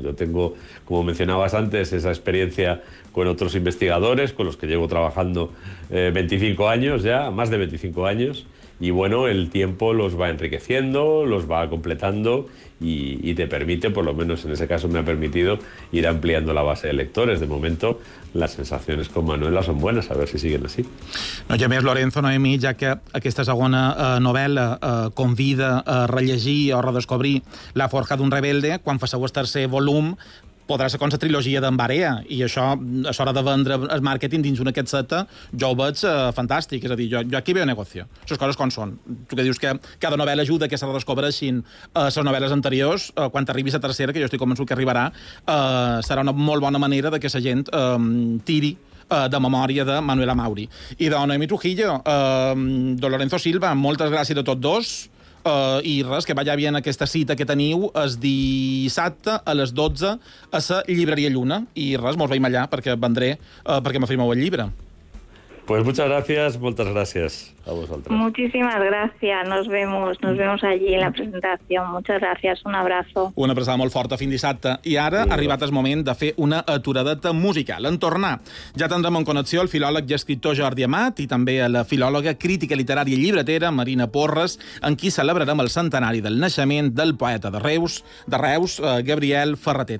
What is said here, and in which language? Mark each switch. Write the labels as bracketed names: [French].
[Spanish] Yo tengo, como mencionabas antes, esa experiencia con otros investigadores con los que llevo trabajando 25 años ya, más de 25 años, Y bueno, el tiempo los va enriqueciendo, los va completando y te permite, por lo menos en ese caso me ha permitido, ir ampliando la base de lectores. De momento, las sensaciones con Manuela son buenas, a ver si siguen así. [Catalan] No, i a més, Lorenzo, Noemi, ja que aquesta segona novel·la convida a rellegir o redescobrir La forja d'un rebelde, quan fa seu el tercer volum, podrà ser com la trilogia d'en Barea, i això, a l'hora de vendre el màrqueting dins d'una caseta, jo ho veig fantàstic. És a dir, jo aquí [Spanish] veo negocio. [Catalan] Les coses com són. Tu que dius que cada novel·la ajuda que se redescobreixin les novel·les anteriors, quan t'arribi la tercera, que jo estic convençut que arribarà, serà una molt bona manera de que la gent tiri de memòria de Manuela Mauri. I de Noemi Trujillo, de Lorenzo Silva, moltes gràcies a tots dos. I res, [Spanish] que vaya bien [Catalan] aquesta cita que teniu es dissabte a les 12 a la Llibreria Lluna. I res, mos veiem allà perquè vendré, perquè m'afirmeu el llibre. [Spanish] Pues muchas gracias, muchas gracias [Catalan] a vosaltres. [Spanish] Muchísimas gracias, nos vemos allí en la presentación. Muchas gracias, un abrazo. [Catalan] Una abraçada molt forta fins dissabte. I ara, arribat el moment de fer una aturadeta musical. En tornar, ja tindrem en connexió el filòleg i escriptor Jordi Amat i també la filòloga, crítica literària i llibretera Marina Porres, en qui celebrarem el centenari del naixement del poeta de Reus, Gabriel Ferrater.